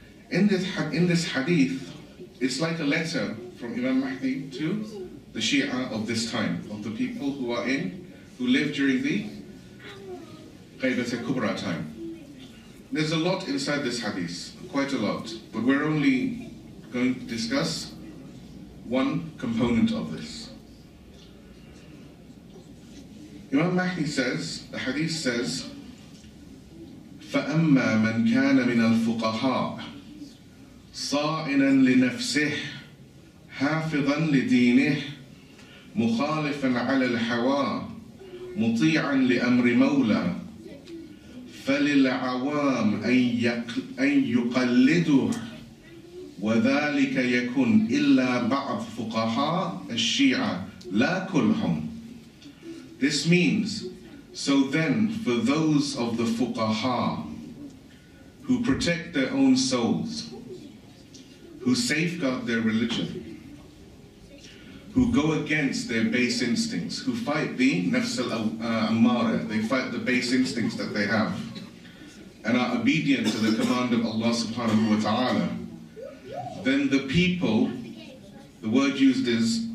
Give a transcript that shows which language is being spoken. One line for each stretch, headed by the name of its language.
English: In this hadith, it's like a letter from Imam Mahdi to the Shia of this time, of the people who live during the Ghaybat al-Kubra time. There's a lot inside this hadith, quite a lot, but we're only going to discuss one component of this. Imam Mahdi says, the hadith says,
Arabic: فَأَمَّا مَنْ كَانَ مِنَ الْفُقَهَاءِ صَائِنًا لِنَفْسِهِ حَافِظًا لِدِينِهِ مُخَالِفًا عَلَى الْحَوَى مُطِيعًا لِأَمْرِ مَوْلَى فَلِلْعَوَامِ أَنْ يُقَلِّدُهُ وذلك يكون إلا بعض فقهاء الشيعة لا كلهم.
English: This means, so then for those of the fuqaha who protect their own souls, who safeguard their religion, who go against their base instincts, who fight the nafs al-ammara, they fight the base instincts that they have and are obedient to the command of Allah subhanahu wa ta'ala, then the people, the word used is